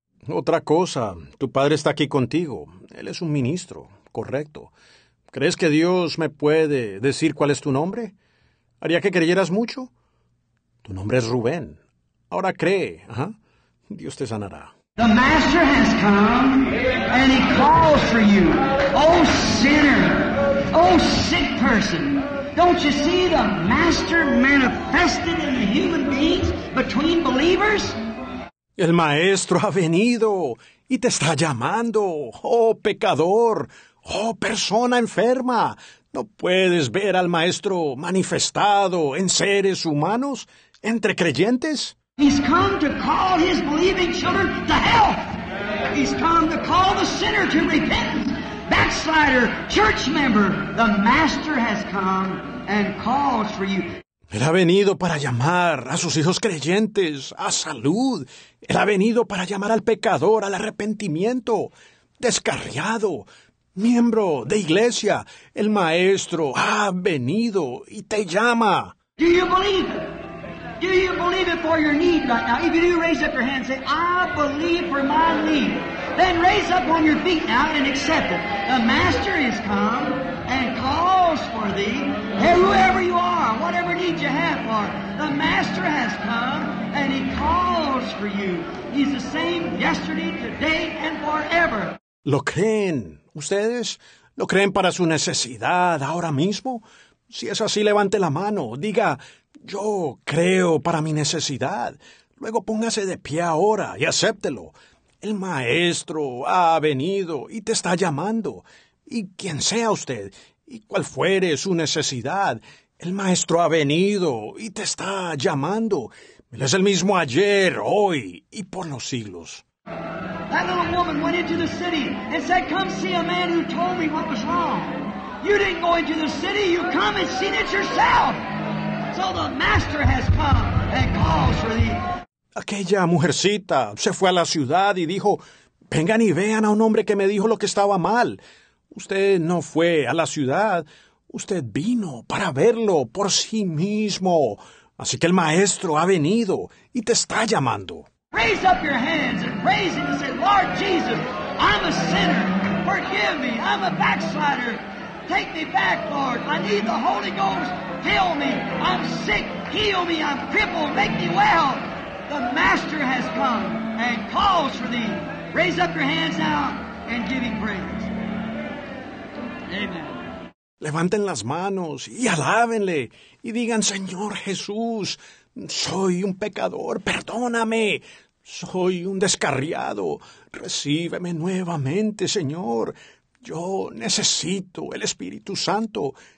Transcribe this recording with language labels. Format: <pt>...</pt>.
<es>Otra cosa, tu padre está aquí contigo. Él es un ministro, correcto. ¿Crees que Dios me puede decir cuál es tu nombre? ¿Haría que creyeras mucho? Tu nombre es Rubén. Ahora cree, ¿eh? Dios te sanará.</es> <en>The master has come and he calls for you. Oh sinner, oh sick person. Don't you see the master manifested in the human beings between believers?</en> <es>El maestro ha venido y te está llamando. Oh pecador, oh persona enferma. ¿No puedes ver al maestro manifestado en seres humanos, entre creyentes?</es> <en>He's come to call his believing children to health. He's come to call the sinner to repentance. Backslider, church member, the master has come and calls for you.</en> <es>Él ha venido para llamar a sus hijos creyentes a salud. Él ha venido para llamar al pecador al arrepentimiento, descarriado, miembro de iglesia. El maestro ha venido y te llama.</es> <en>Do you believe it? Do you believe it for your need right now? If you do, raise up your hand and say, I believe for my need. Then raise up on your feet now and accept it. The master is come and calls for thee. Hey, whoever you are, whatever need you have for, the master has come and he calls for you. He's the same yesterday, today, and forever.</en> <es>¿Lo creen ustedes? ¿Lo creen para su necesidad ahora mismo? Si es así, levante la mano. Diga, yo creo para mi necesidad. Luego póngase de pie ahora y acéptelo. El maestro ha venido y te está llamando. Y quien sea usted, y cual fuere su necesidad, el maestro ha venido y te está llamando. Él es el mismo ayer, hoy y por los siglos.</es> <en>That little woman went into the city and said, come see a man who told me what was wrong. You didn't go into the city, you come and seen it yourself. So the master has come and calls for thee.</en> <es>Aquella mujercita se fue a la ciudad y dijo, vengan y vean a un hombre que me dijo lo que estaba mal. Usted no fue a la ciudad, usted vino para verlo por sí mismo. Así que el maestro ha venido y te está llamando.</es> <en>Raise up your hands and praise him and say, Lord Jesus, I'm a sinner. Forgive me. I'm a backslider. Take me back, Lord. I need the Holy Ghost. Heal me. I'm sick. Heal me. I'm crippled. Make me well. The Master has come and calls for thee. Raise up your hands now and give him praise. Amen.</en> <es>Levanten las manos y alábenle y digan, Señor Jesús, soy un pecador, perdóname. Soy un descarriado. Recíbeme nuevamente, Señor. Yo necesito el Espíritu Santo.</es>